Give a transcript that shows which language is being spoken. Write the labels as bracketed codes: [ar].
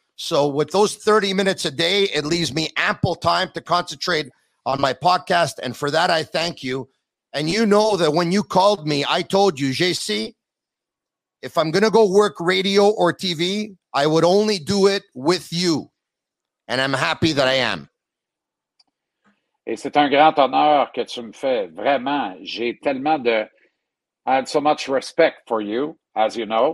[en] So with those 30 minutes a day, it leaves me ample time to concentrate on my podcast. And for that, I thank you. And you know that when you called me, I told you, JC, if I'm going to go work radio or TV, I would only do it with you. And I'm happy that I am. [fr] Et c'est un grand honneur que tu me fais, vraiment. J'ai tellement de... [en] I have so much respect for you, as you know.